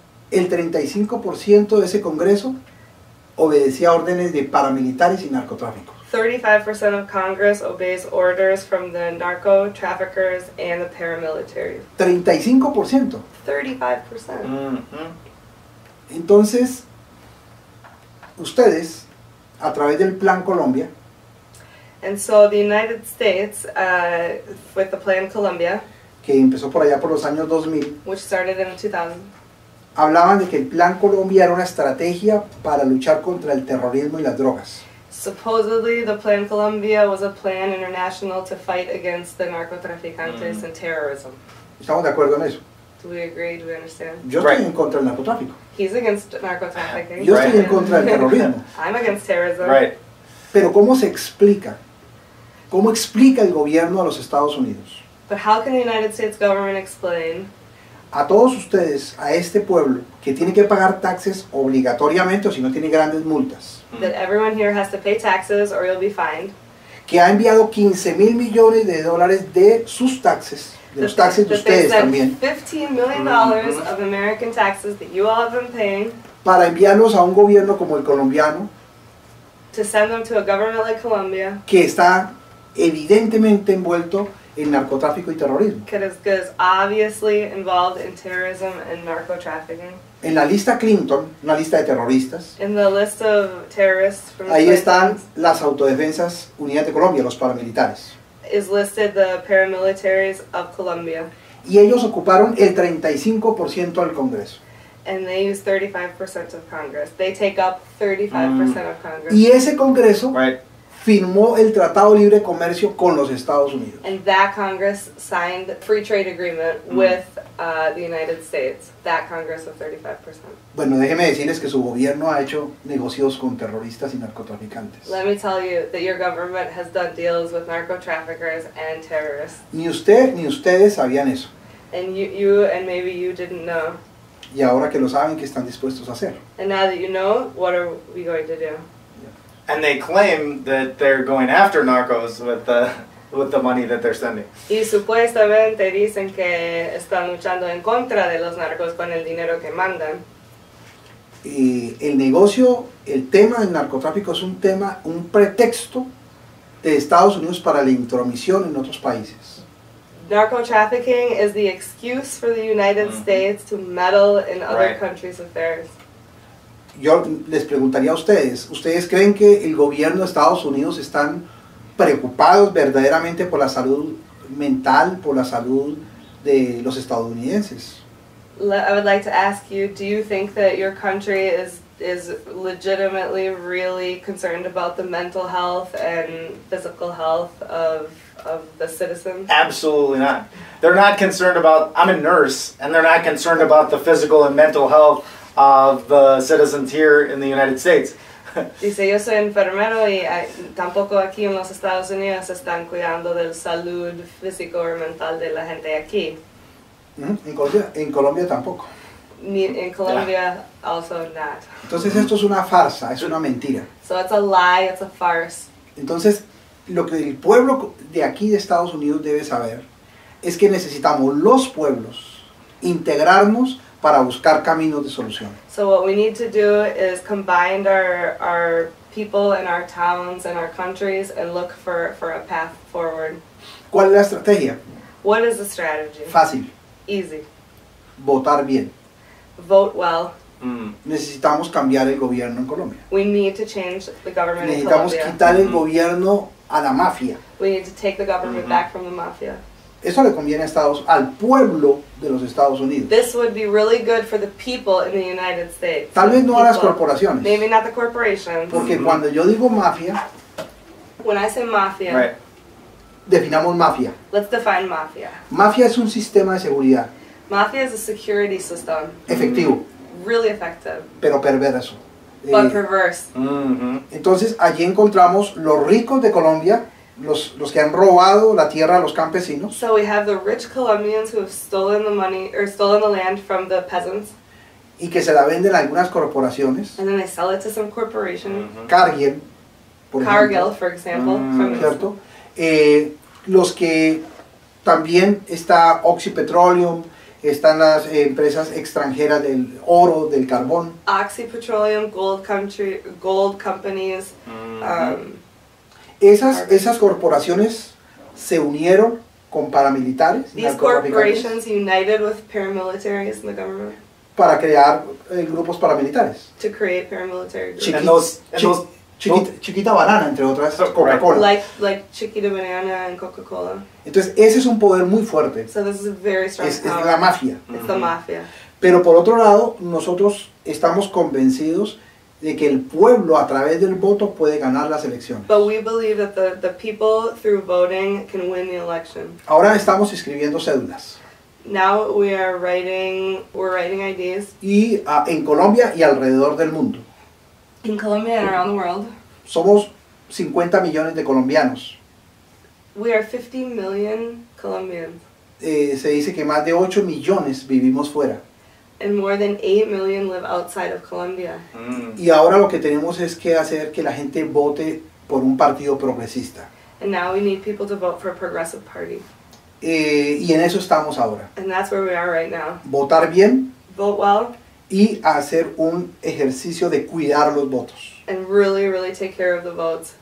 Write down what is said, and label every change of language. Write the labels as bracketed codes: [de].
[es] El 35% de ese Congreso obedecía órdenes de paramilitares y narcotráfico. [en] 35% of Congress obeys orders from the narco traffickers and the paramilitary. 35%. 35%. Mm-hmm. [es] Entonces, ustedes, a través del Plan Colombia. [en] And so the United States, with the Plan Colombia, [es] que empezó por allá por los años 2000, [en] which started in 2000, [es] hablaban de que el Plan Colombia era una estrategia para luchar contra el terrorismo y las drogas. [en] Supposedly, the Plan Colombia was a plan international to fight against the narcotraficantes and terrorism. [es] ¿Estamos de acuerdo en eso? [en] Do we agree? Do we understand? [es] Yo estoy en contra del narcotráfico. [en] He's against narcotrafficking. [es] Yo estoy en contra del terrorismo. [en] I'm against terrorism. Right. [es] Pero ¿cómo se explica? ¿Cómo explica el gobierno a los Estados Unidos? [en] But how can the United States government explain? [es] A todos ustedes, a este pueblo, que tiene que pagar taxes obligatoriamente o si no tiene grandes multas. [en] That everyone here has to pay taxes or you'll be fined. [es] Que ha enviado 15 mil millones de dólares de sus taxes, de los taxes de ustedes también. [en] $15 million of American taxes that you all have been paying. [es] Para enviarlos a un gobierno como el colombiano. [en] To send them to a government like Colombia. [es] Que está evidentemente envuelto en narcotráfico y terrorismo. [en] Because obviously involved in terrorism and narcotrafficking. [es] En la lista Clinton, una lista de terroristas. [en] In the list of terrorists from [es] ahí están las autodefensas Unidas de Colombia, los paramilitares. [en] Is listed the paramilitaries of Colombia. [es] Y ellos ocuparon el 35% del Congreso. [en] And they use 35% of Congress. They take up 35% of Congress. [es] Y ese Congreso firmó el Tratado Libre de Comercio con los Estados Unidos. [en] And that Congress signed the free trade agreement with the United States. That Congress of 35%. [es] Bueno, déjeme decirles que su gobierno ha hecho negocios con terroristas y narcotraficantes. [en] Let me tell you that your government has done deals with narcotraffickers and terrorists. [es] Ni usted ni ustedes sabían eso. [en] And you and maybe you didn't know. [es] Y ahora que lo saben, ¿qué están dispuestos a hacer? [en] And now that you know, what are we going to do? And they claim that they're going after narcos with the money that they're sending. [es] Y supuestamente dicen que están luchando en contra de los narcos con el dinero que mandan. Y el negocio, el tema del narcotráfico es un tema, un pretexto de Estados Unidos para la intromisión en otros países. [en] Narcotrafficking is the excuse for the United States to meddle in other countries' affairs. [es] Yo les preguntaría a ustedes, ¿ustedes creen que el gobierno de Estados Unidos están preocupados verdaderamente por la salud mental, por la salud de los estadounidenses? [en] I would like to ask you, do you think that your country is legitimately really concerned about the mental health and physical health of the citizens? Absolutely not. They're not concerned about, I'm a nurse, and they're not concerned about the physical and mental health of the citizens here in the United States. [es] Dice, yo soy enfermero y tampoco aquí en los Estados Unidos están cuidando del salud físico o mental de la gente aquí. En Colombia tampoco. Ni en Colombia, [en] yeah. Also not. [es] Entonces esto es una farsa, es una mentira. [en] So it's a lie, it's a farce. [es] Entonces, lo que el pueblo de aquí de Estados Unidos debe saber es que necesitamos los pueblos integrarnos para buscar caminos de solución. [en] So what we need to do is combine our people and our towns and our countries and look for a path forward. [es] ¿Cuál es la estrategia? [en] What is the strategy? [es] Fácil. [en] Easy. [es] Votar bien. [en] Vote well. [es] Necesitamos cambiar el gobierno en Colombia. [en] We need to change the government in Colombia. [es] Necesitamos quitar el gobierno a la mafia. [en] We need to take the government back from the mafia. [es] Eso le conviene a Estados, al pueblo de los Estados Unidos. [en] This would be really good for the people in the United States. [es] Tal vez no a las corporaciones. [en] Maybe not the corporations. [es] Porque cuando yo digo mafia, [en] when I say mafia, right. [es] Definamos mafia. [en] Let's define mafia. [es] Mafia es un sistema de seguridad. [en] Mafia is a security system. [es] Efectivo. [en] Really effective. [es] Pero perverso. [en] But perverse. [es] Entonces allí encontramos los ricos de Colombia. Los que han robado la tierra a los campesinos. [en] So we have the rich Colombians who have stolen the money or stolen the land from the peasants. [es] Y que se la venden a algunas corporaciones. [en] And then they sell it to some corporation. [es] Cargill, por ejemplo. [en] Cargill, for example. [es] Cierto. Los que también está Oxy Petroleum, están las empresas extranjeras del oro, del carbón. [en] Oxy Petroleum, gold companies. [es] Esas corporaciones se unieron con paramilitares. [en] These corporations united with paramilitaries in the government. [es] Para crear grupos paramilitares. [en] To create paramilitary groups. [es] Chiquita banana, entre otras, Coca-Cola. [en] Like Chiquita banana and Coca-Cola. [es] Entonces, ese es un poder muy fuerte. [en] So this is a very strong power. [es] Es la mafia. [en] It's the mafia. [es] Pero por otro lado, nosotros estamos convencidos de que el pueblo a través del voto puede ganar las elecciones. [en] But we believe that the people through voting can win the election. [es] Ahora estamos escribiendo cédulas. [en] Now we're writing IDs. [es] Y en Colombia y alrededor del mundo. [en] In Colombia and around the world. [es] Somos 50 millones de colombianos. [en] We are 50 million Colombians. [es] Se dice que más de 8 millones vivimos fuera. [en] And more than 8 million live outside of Colombia. [es] Y ahora lo que tenemos es que hacer que la gente vote por un partido progresista. [en] And now we need people to vote for a progressive party. [es] Y en eso estamos ahora. [en] And that's where we are right now. [es] Votar bien. [en] Vote well. [es] Y hacer un ejercicio de cuidar los votos. [en] And really, really take care of the votes.